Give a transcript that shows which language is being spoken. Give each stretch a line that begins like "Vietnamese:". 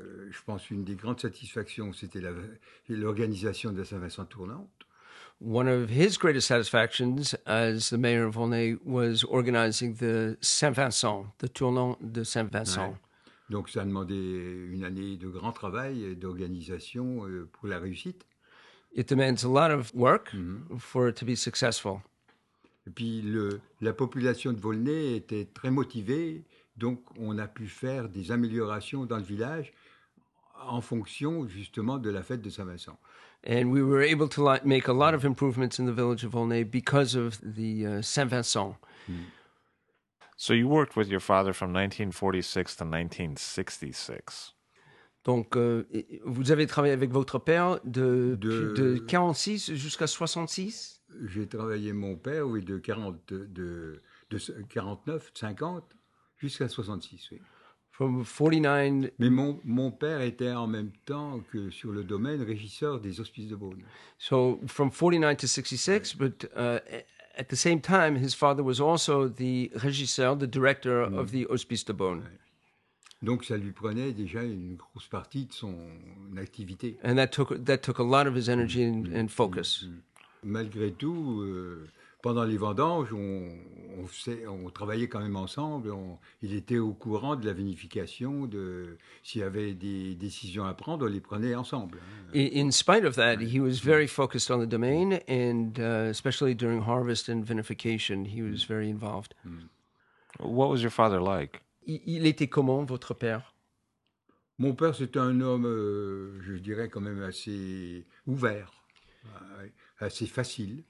French: Je pense une des grandes satisfactions, c'était l'organisation de la Saint-Vincent Tournante.
English: One of his greatest satisfactions as the mayor of Volnay was organizing the Saint-Vincent, the Tournant de Saint-Vincent.
French: Ouais. Donc, ça a demandé une année de grand travail et d'organisation pour la réussite.
English: It demands a lot of work for it to be successful.
French: Et puis la population de Volnay était très motivée, donc on a pu faire des améliorations dans le village en fonction justement de la fête de Saint-Vincent.
English: And we were able to make a lot of improvements in the village of Volnay because of the Saint-Vincent. So you worked with your father from 1946 to 1966.
French: Donc, vous avez travaillé avec votre père de 46 jusqu'à 66? J'ai travaillé mon père, oui, de 49, 50, jusqu'à 66, oui.
English: From 49...
French: Mais mon père était en même temps que sur le domaine régisseur des Hospices de Beaune.
English: So, from 49 to 66, but at the same time, his father was also the régisseur, the director of the Hospices de Beaune.
French: Ouais. Donc, ça lui prenait déjà une grosse partie de son activité.
English: And that took a lot of his energy and focus.
French: Malgré tout, pendant les vendanges, on travaillait quand même ensemble. Il était au courant de la vinification, de s'il y avait des décisions à prendre, on les prenait ensemble.
English: In spite of that, he was very focused on the domain, and especially during harvest and vinification, he was very involved. What was your father like?
French: Il était comment, votre père? Mon père, c'était un homme, je dirais, quand même assez ouvert, assez facile.